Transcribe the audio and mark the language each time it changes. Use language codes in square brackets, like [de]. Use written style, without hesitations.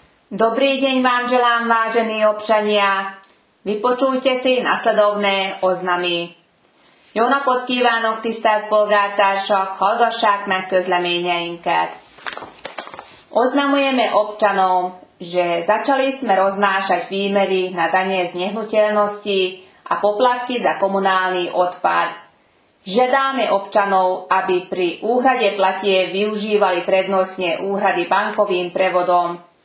[sk] Dobrý deň vám želám, vážení občania. Vypočujte si nasledovné oznami. [hu] Jó napot kívánok, tisztelt polgártársak, hallgassák meg közleményeinket. [sk] Oznamujeme občanom, že začali sme roznášať výmery na dane z nehnuteľnosti a poplatky za komunálny odpad. Žiadame občanov, aby pri úhrade platie využívali prednostne úhrady bankovým prevodom.